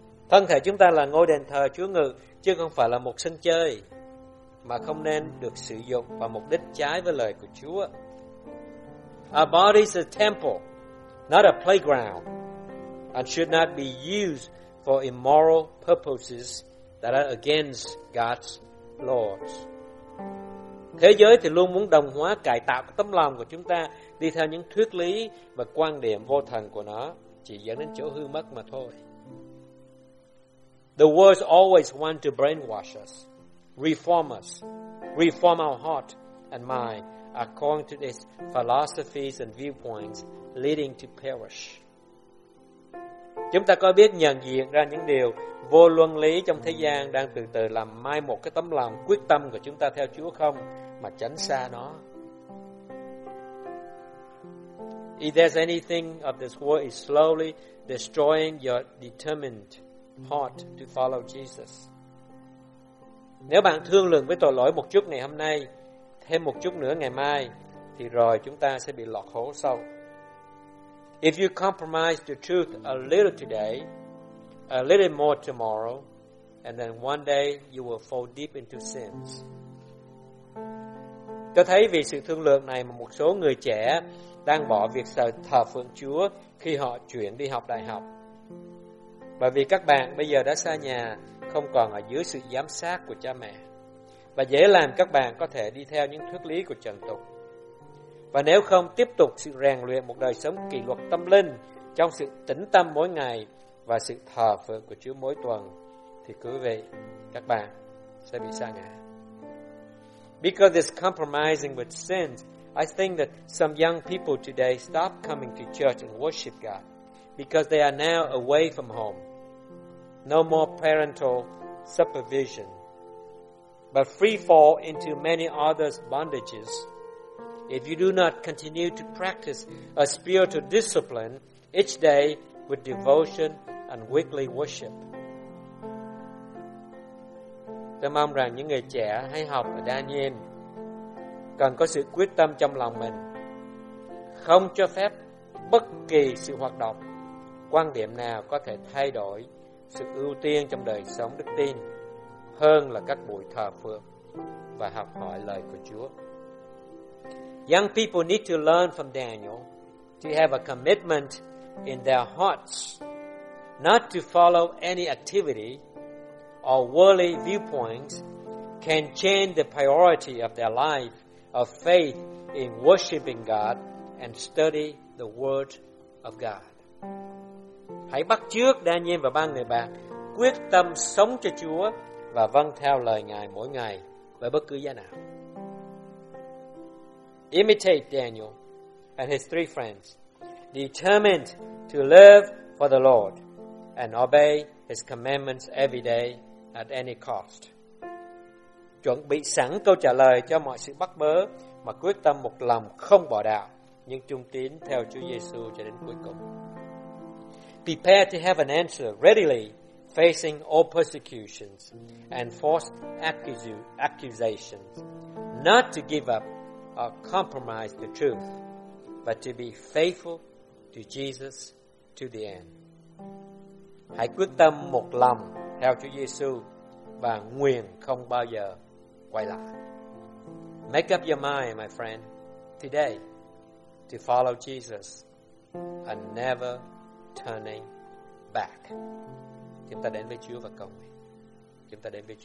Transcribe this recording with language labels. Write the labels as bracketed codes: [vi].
[vi] Thân thể chúng ta là ngôi đền thờ Chúa ngự, chứ không phải là một sân chơi mà không nên được sử dụng vào mục đích trái với lời của Chúa. [en] Our body is a temple, not a playground, and should not be used for immoral purposes that are against God's laws. [vi] Thế giới thì luôn muốn đồng hóa cải tạo tấm lòng của chúng ta đi theo những thuyết lý và quan điểm vô thần của nó, chỉ dẫn đến chỗ hư mất mà thôi. [en] The world always wants to brainwash us, reform us, reform our heart and mind according to its philosophies and viewpoints leading to perish. [vi] Chúng ta có biết nhận diện ra những điều vô luân lý trong thế gian đang từ từ làm mai một cái tấm lòng quyết tâm của chúng ta theo Chúa không, mà tránh xa nó? [en] If there's anything of this world is slowly destroying your determined heart to follow Jesus. [vi] Nếu bạn thương lượng với tội lỗi một chút ngày hôm nay, thêm một chút nữa ngày mai, thì rồi chúng ta sẽ bị lọt hố sâu. [en] If you compromise the truth a little today, a little more tomorrow, and then one day you will fall deep into sins. [vi] Tôi thấy vì sự thương lượng này mà một số người trẻ đang bỏ việc thờ phượng Chúa khi họ chuyển đi học đại học. Bởi vì các bạn bây giờ đã xa nhà, không còn ở dưới sự giám sát của cha mẹ, và dễ làm các bạn có thể đi theo những thuyết lý của trần tục. Và nếu không tiếp tục sự rèn luyện một đời sống kỷ luật tâm linh trong sự tĩnh tâm mỗi ngày và sự thờ phượng của Chúa mỗi tuần, thì cứ vậy các bạn sẽ bị sa ngã. [en] Because this compromising with sins, I think that some young people today stop coming to church and worship God because they are now away from home. No more parental supervision, but free fall into many others' bondages. If you do not continue to practice a spiritual discipline each day with devotion and weekly worship. [vi] Tôi mong rằng những người trẻ hay học ở Daniel cần có sự quyết tâm trong lòng mình, không cho phép bất kỳ sự hoạt động, quan điểm nào có thể thay đổi sự ưu tiên trong đời sống đức tin hơn là các buổi thờ phượng và học hỏi lời của Chúa. [en] Young people need to learn from Daniel to have a commitment in their hearts not to follow any activity or worldly viewpoints can change the priority of their life of faith in worshiping God and study the Word of God. [vi] Hãy bắt chước Daniel và ba người bạn quyết tâm sống cho Chúa và vâng theo lời Ngài mỗi ngày với bất cứ giá nào. [en] Imitate Daniel and his three friends, determined to live for the Lord and obey his commandments every day at any cost. [vi] chuẩn bị sẵn câu trả lời cho mọi sự bắt bớ mà quyết tâm một lòng không bỏ đạo nhưng trung tín theo Chúa Giêsu cho đến cuối cùng. [en] Prepare to have an answer readily facing all persecutions and false accusations, not to give up or compromise the truth, but to be faithful to Jesus to the end. [vi] Hãy quyết tâm một lòng theo Chúa Giêsu và nguyện không bao giờ quay lại. [en] Make up your mind, my friend, today to follow Jesus and never turning back. [vi] Chúng ta đến với Chúa và cầu nguyện. Chúng ta đến với Chúa.